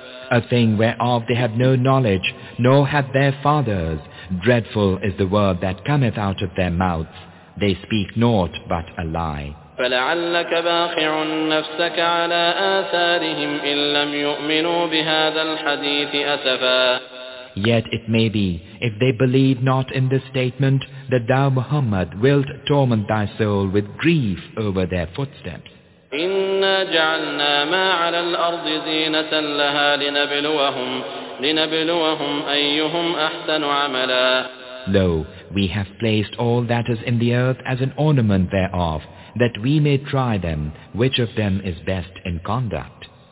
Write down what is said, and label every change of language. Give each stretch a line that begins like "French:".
English: A thing whereof they have no knowledge, nor have their fathers. Dreadful is the word that cometh out of their mouths. They speak naught but a lie.
Arabic: فلعلك باخع نفسك على آثارهم إن لم يؤمنوا بهذا الحديث أسفا.
English: Yet it may be, if they believe not in this statement, that thou Muhammad wilt torment thy soul with grief over their footsteps.
Arabic: إنا جعلنا ما على الأرض زينة لها لنبلوهم أيهم أحسن عملا.
English: Lo, we have placed all that is in the earth as an ornament thereof, that we may try them, which of them is best in conduct.